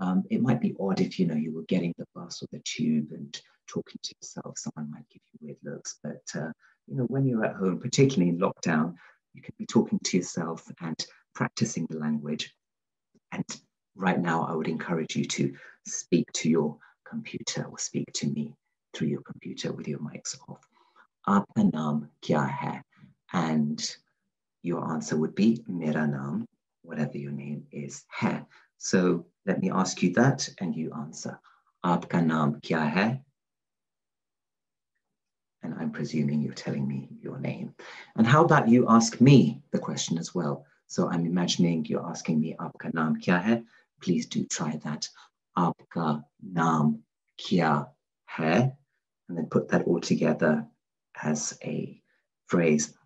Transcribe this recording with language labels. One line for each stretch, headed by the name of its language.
English: It might be odd if, you know, you were getting the bus or the tube and talking to yourself, someone might give you weird looks. But, you know, when you're at home, particularly in lockdown, you can be talking to yourself and practicing the language. And right now, I would encourage you to speak to your computer or speak to me through your computer with your mics off.
Hindi: आपका नाम क्या है?
English: And your answer would be
Hindi: mera naam,
English: whatever your name is,
Hindi: hai.
English: So let me ask you that and you answer.
Hindi: आपका नाम क्या है?
English: And I'm presuming you're telling me your name. And how about you ask me the question as well? So I'm imagining you're asking me
Hindi: आपका नाम क्या है?
English: Please do try that.
Hindi: आपका नाम क्या है?
English: And then put that all together as a phrase.